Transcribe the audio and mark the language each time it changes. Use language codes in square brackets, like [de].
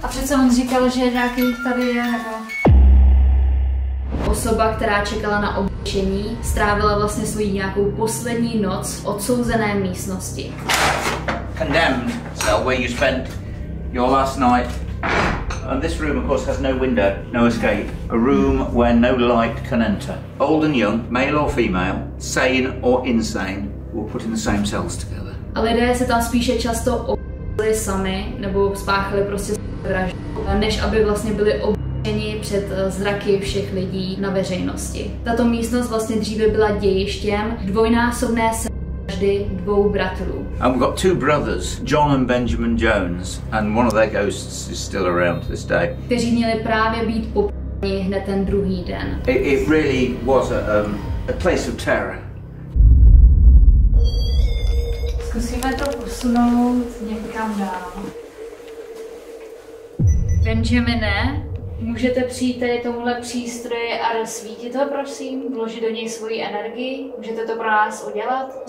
[cs] A přece on říkal, že nějaký tady je, nebo... Osoba, která čekala na obvinění, strávila vlastně svoji nějakou poslední noc v odsouzené místnosti. [en] Condemned cell where you spent your last night. And this room, of course, has no window, no escape. A room where no light can enter. Old and young, male or female, sane or insane, were put in the same cells together. [cs] A lidé se tam spíše často obvinili sami, nebo spáchali prostě vraždu, než aby vlastně byli obvinění před zraky všech lidí na veřejnosti. Tato místnost vlastně dříve byla dějištěm dvojnásobné dvou bratrů. [en] And we've got two brothers, John and Benjamin Jones, and one of their ghosts is still around to this day. [cs] Kteří měli právě být popraveni hned ten druhý den. [en] It really was a place of terror. [cs] Zkusíme to posunout někam dál. Benjamine, můžete přijít tady tomuhle přístroji a rozsvítit ho, prosím? Vložit do něj svoji energii? Můžete to pro nás udělat?